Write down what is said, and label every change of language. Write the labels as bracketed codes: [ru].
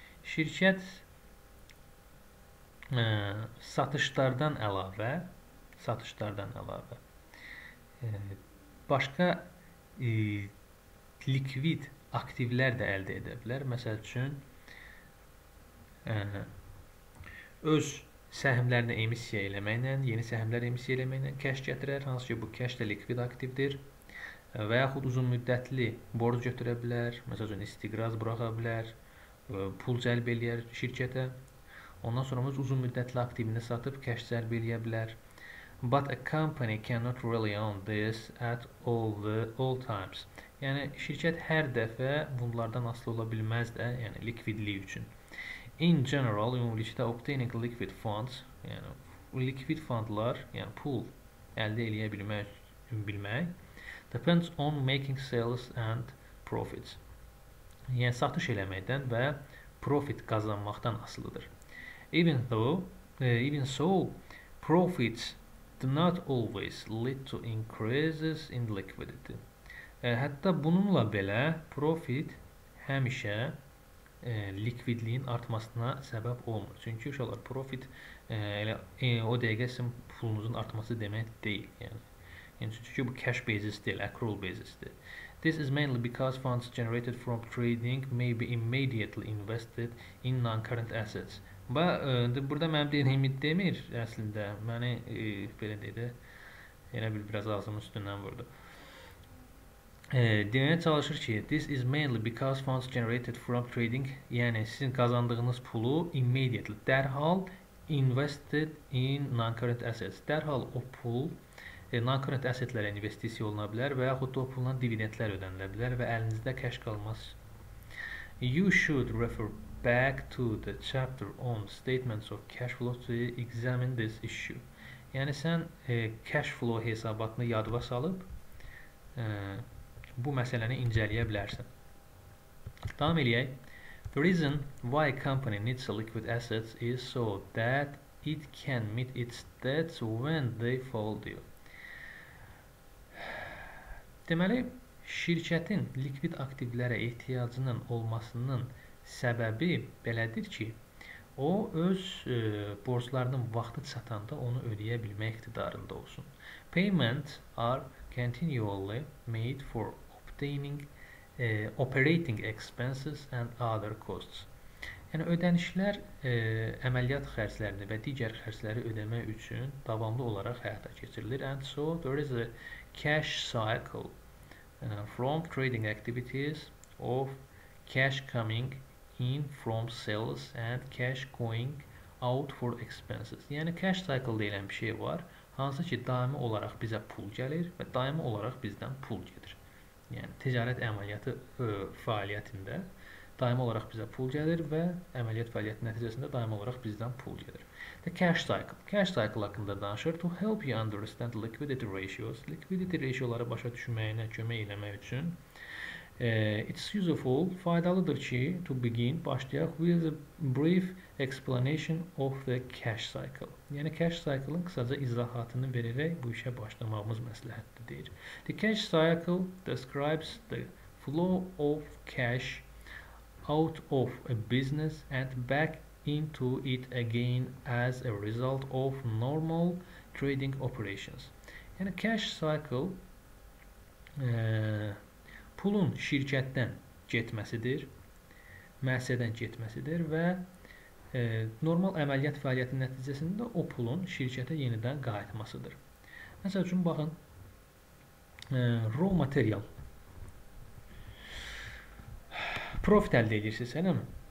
[az] Şirkət satışlardan əlavə başqa likvid aktivlər də əldə edə bilər. Məsəl üçün öz səhmlərini emissiya eləməklə, yeni səhmlər emissiya eləməklə cash gətirər. Hansı ki, bu cash də likvid aktivdir. Və yaxud uzun müddətli borc götürə bilər, məsəl üçün istiqraz buraxa bilər, pul cəlb eləyər şirkətə, ondan sonra uzun müddətli aktivini satıb cash cəlb eləyə bilər. [en] But a company cannot rely on this at all times. [az] Yəni, şirkət hər dəfə bunlardan asılı ola bilməz də, yəni likvidliyi üçün. [en] In general, ümumilikdə obtaining liquid funds, [az] yəni liquid fundlar, yəni pul əldə eləyə bilmək, [en] depends on making sales and profits. [az] Yəni satış eləməkdən və profit qazanmaqdan asılıdır. [en] Even so, profits do not always lead to increases in liquidity. [az] Hətta bununla belə profit həmişə likvidliyin artmasına səbəb olmur. Çünki uşaqlar profit o dəqiqə sizin pulunuzun artması demək deyil. Yəni çünki bu cash basis deyil, accrual basis deyil. [en] This is mainly because funds generated from trading may be immediately invested in non-current assets. [az] Burada mənim deyim demir əslində. Məni belə deyir, elə bil biraz ağzımın üstündən vurdu. Deməyə çalışır ki, [en] this is mainly because funds generated from trading, [az] yəni sizin kazandığınız pulu immediately, dərhal [en] invested in non-current assets. [az] Dərhal o pul non-current assetlərə investisiya oluna bilər və yaxud da o pulla dividendlər ödənilə bilər və əlinizdə cash qalmaz. [en] You should refer back to the chapter on statements of cash flow to examine this issue. [az] Yəni sən cash flow hesabatını yadva salıb bu məsələni incələyə bilərsən. Tam eləyək. [en] The reason why a company needs a liquid assets is so that it can meet its debts when they fall due. [az] Deməli, şirkətin likvid aktivlərə ehtiyacının olmasının səbəbi belədir ki, o öz borclarının vaxtı çatanda onu ödəyə bilmək iqtidarında olsun. [en] Payments are continually made for obtaining operating expenses and other costs. [az] Yəni ödənişlər əməliyyat xərclərini və digər xərcləri ödəmək üçün davamlı olaraq həyata keçirilir. [en] And so there is a cash cycle from trading activities of cash coming in from sales and cash going out for expenses. [az] Yəni cash cycle deyilən bir şey var, hansı ki daimi olaraq bizə pul gəlir və daimi olaraq bizdən pul gedir. Yəni ticarət əməliyyatı fəaliyyətində daimi olaraq bizə pul gəlir və əməliyyat fəaliyyəti nəticəsində daimi olaraq bizdən pul gəlir. [en] The cash cycle. [az] Cash cycle haqqında danışır. [en] To help you understand liquidity ratios. [az] Liquidity ratioları başa düşməyinə kömək eləmək üçün. [en] It's useful, [az] faydalıdır ki, [en] to begin, [az] başlayaq, [en] with a brief explanation of the cash cycle. [az] Yəni, cash cycle'ın kısaca izahatını vererek bu işe başlamamız məsləhətdir, deyir. [en] The cash cycle describes the flow of cash out of a business and back into it again as a result of normal trading operations. [az] Yəni, cash cycle pulun şirkətdən getməsidir, müəssisədən getməsidir və normal əməliyyat fəaliyyəti nəticəsində o pulun şirkətə yenidən qayıtmasıdır. Məsəl üçün, baxın, raw material profit əldə edirsiniz, eləmi?